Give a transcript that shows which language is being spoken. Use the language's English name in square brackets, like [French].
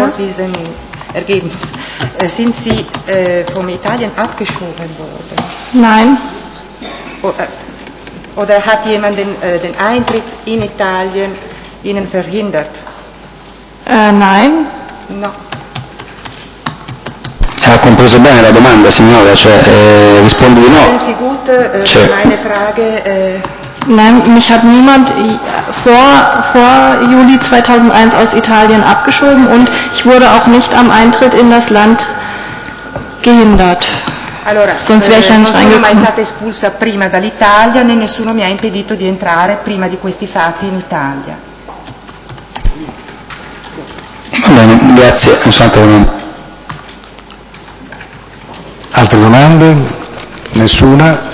[German] Vor diesem Ergebnis, sind sie von Italien abgeschoben worden? Nein. Oder hat jemand den Eintritt in Italien ihnen verhindert? Nein. [Italian] No. Ha compreso bene la domanda, signora, cioè risponde di no. [German] Meine Frage, Nein, mich hat niemand vor Juli 2001 aus Italien abgeschoben und ich wurde auch nicht am Eintritt in das Land gehindert. [Italian] Allora, [German] sonst wäre ich ja nicht reingekommen. [Italian] Non sono mai stata espulsa prima dall'Italia, né nessuno mi ha impedito di entrare prima di questi fatti in Italia. Va bene, grazie. Altre domande? Nessuna?